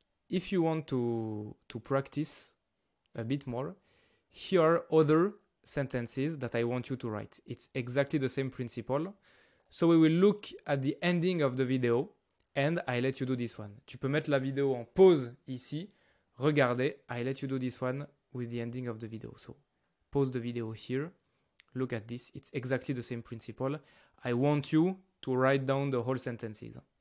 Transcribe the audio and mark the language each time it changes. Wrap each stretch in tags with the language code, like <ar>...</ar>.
<en>If you want to practice a bit more, here are other sentences that I want you to write. It's exactly the same principle. So we will look at the ending of the video and I let you do this one.</en> <fr>Tu peux mettre la vidéo en pause ici. Regardez,</fr> <en>I let you do this one with the ending of the video. So pause the video here. Look at this. It's exactly the same principle. I want you to write down the whole sentences.</en>